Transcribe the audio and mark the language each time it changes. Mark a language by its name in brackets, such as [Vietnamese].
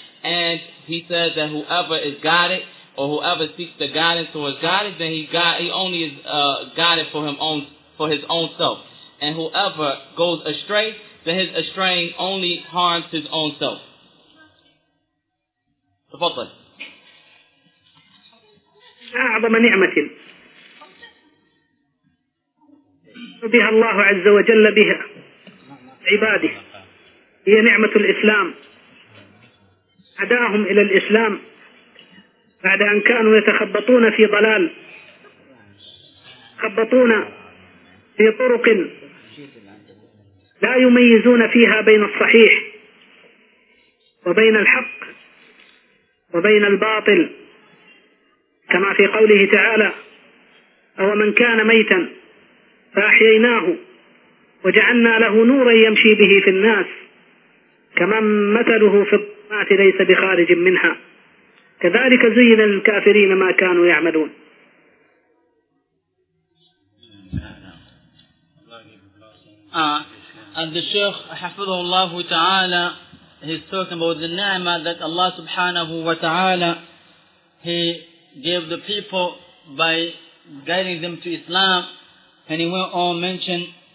[English] And he says that whoever is guided, or whoever seeks the guidance or is guided, then he only is guided for his own self. And whoever goes astray, then his astraying only harms his own self. [Arabic] تفضل. أعظم نعمة بها الله عز وجل بها عباده هي نعمة الإسلام. هداهم إلى الإسلام بعد أن كانوا يتخبطون في ضلال، خبطون في طرق لا يميزون فيها بين الصحيح وبين الحق وبين الباطل، كما في قوله تعالى: أو من كان ميتا فأحييناه وجعلنا له نورا يمشي به في الناس كمن مثله في الظلمات ليس بخارج منها كذلك زين للكافرين ما كانوا يعملون. [English] And the Shaykh Hafidhullah Ta'ala, he's talking about the ni'mah that Allah subhanahu wa ta'ala, he gave the people by guiding them to Islam. And he went on mention